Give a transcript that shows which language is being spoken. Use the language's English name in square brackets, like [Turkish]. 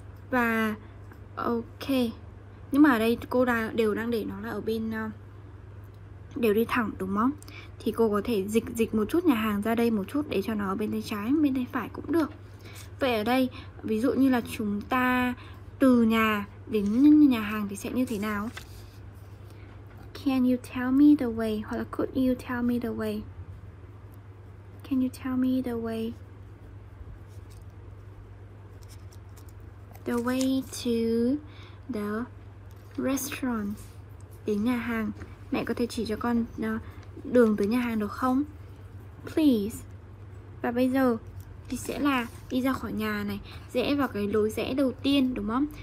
[Vietnamese] Và ok. Nhưng mà ở đây cô đều đang để nó là ở bên đều đi thẳng đúng không? Thì cô có thể dịch một chút nhà hàng ra đây một chút để cho nó ở bên tay trái, bên tay phải cũng được. Vậy ở đây ví dụ như là chúng ta từ nhà đến nhà hàng thì sẽ như thế nào? [English] Can you tell me the way? [Vietnamese] Hoặc là [English] could you tell me the way? Can you tell me the way? the way to the restaurant, [Vietnamese] đến nhà hàng. Mẹ có thể chỉ cho con đường tới nhà hàng được không? Please. Và bây giờ thì sẽ là đi ra khỏi nhà này, rẽ vào cái lối rẽ đầu tiên, đúng không?